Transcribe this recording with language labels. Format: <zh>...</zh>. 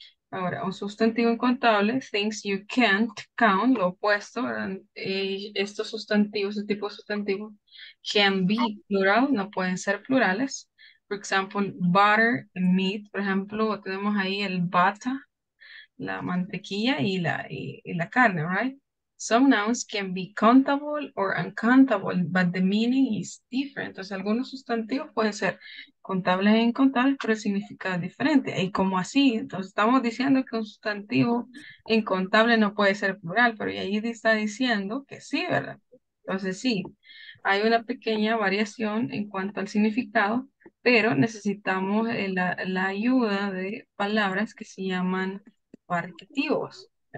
<es>Ahora, un sustantivo incontable,</es> <en>things you can't count,</en> <es>lo opuesto, y estos sustantivos, este tipo de sustantivos,</es> <en>can be plural,</en> <es>no pueden ser plurales.</es> <en>For example, butter, meat,</en> <es>por ejemplo, tenemos ahí el butter, la mantequilla y la carne, right?</es> <en>Some nouns can be countable or uncountable, but the meaning is different.</en> <es>Entonces, algunos sustantivos pueden ser contables e incontables, pero el significado es diferente. ¿Y cómo así? Entonces, estamos diciendo que un sustantivo incontable no puede ser plural, pero ahí está diciendo que sí, ¿verdad? Entonces, sí, hay una pequeña variación en cuanto al significado, pero necesitamos la ayuda de palabras que se llaman particivos.</es>